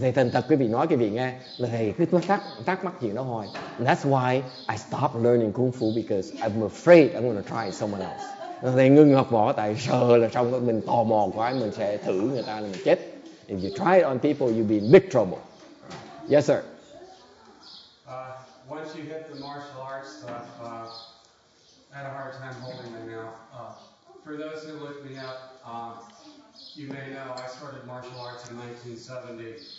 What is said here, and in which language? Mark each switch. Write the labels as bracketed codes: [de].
[vi] Thầy thành thật quý vị nói quý vị nghe là thầy cứ thắc mắc gì nó hỏi. [en] And that's why I stopped learning kung fu because I'm afraid I'm going to try someone else. [vi] Thầy ngưng học võ tại sợ là trong đó mình tò mò quá mình sẽ thử người ta là mình chết. [en] If you try it on people, you'll be in big trouble. Yes, sir. Once you hit the martial arts stuff, had a hard time holding my mouth. For those who looked me up, you may know I started martial arts in 1970.